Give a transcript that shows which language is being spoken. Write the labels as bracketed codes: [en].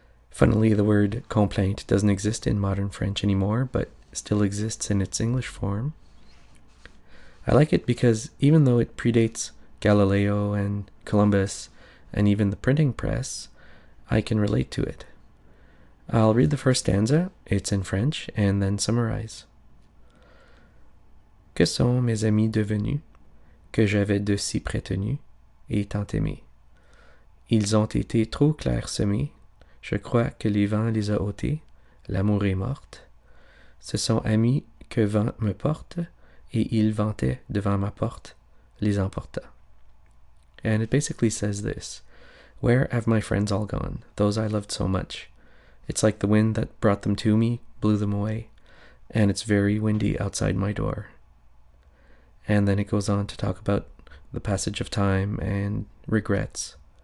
[en] Funnily, the word complaint doesn't exist in modern French anymore, but still exists in its English form. I like it because even though it predates Galileo and Columbus and even the printing press, I can relate to it. I'll read the first stanza, it's in French, and then summarize. [fr] Que sont mes amis devenus, que j'avais de si prétenus et tant aimés. Ils ont été trop clairsemés, je crois que les vents les a ôtés, l'amour est mort. Ce sont amis que vent me porte, et ils vantaient devant ma porte, les emporta. [en] And it basically says this: where have my friends all gone, those I loved so much? It's like the wind that brought them to me blew them away, and it's very windy outside my door. And then it goes on to talk about the passage of time and regrets.